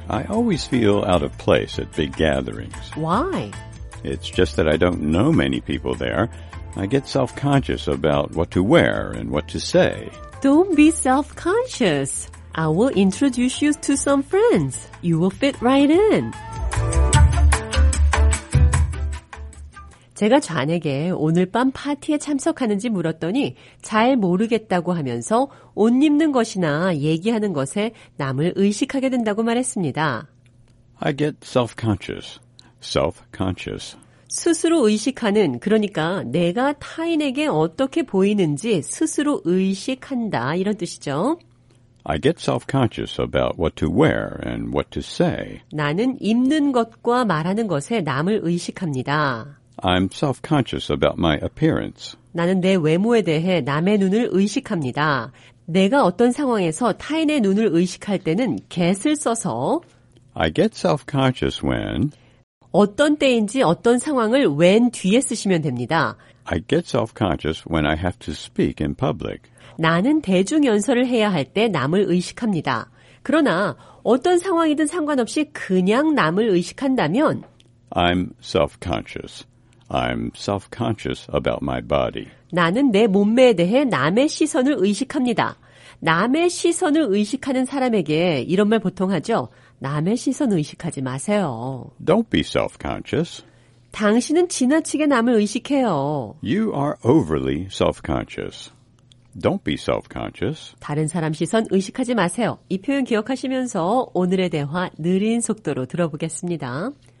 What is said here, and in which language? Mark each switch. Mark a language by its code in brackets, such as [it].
[en] I always feel out of place at big gatherings. Why? It's just that I don't know many people there. I get self-conscious about what to wear and what to say. Don't be self-conscious. I will introduce you to some friends. You will fit right in. [ko] 제가 존에게 오늘 밤 파티에 참석하는지 물었더니 잘 모르겠다고 하면서 옷 입는 것이나 얘기하는 것에 남을 의식하게 된다고 말했습니다. [en] I get self-conscious. Self-conscious. [ko] 스스로 의식하는, 그러니까 내가 타인에게 어떻게 보이는지 스스로 의식한다, 이런 뜻이죠. [en] I get self-conscious about what to wear and what to say. [ko] 나는 입는 것과 말하는 것에 남을 의식합니다. [en] I'm self-conscious about my appearance. [ko] 나는 내 외모에 대해 남의 눈을 의식합니다. 내가 어떤 상황에서 타인의 눈을 의식할 때는 get을 써서 [en] I get self-conscious when [ko] 어떤 때인지 어떤 상황을 when 뒤에 쓰시면 됩니다. [en] I get self-conscious when I have to speak in public. [ko] 나는 대중연설을 해야 할 때 남을 의식합니다. 그러나 어떤 상황이든 상관없이 그냥 남을 의식한다면 [en] I'm self-conscious. I'm self-conscious about my body. [ko] 나는 내 몸매에 대해 남의 시선을 의식합니다. 남의 시선을 의식하는 사람에게 이런 말 보통 하죠. 남의 시선 의식하지 마세요. [en] Don't be self-conscious. [ko] 당신은 지나치게 남을 의식해요. [en] You are overly self-conscious. Don't be self-conscious. [ko] 다른 사람 시선 의식하지 마세요. 이 표현 기억하시면서 오늘의 대화 느린 속도로 들어보겠습니다.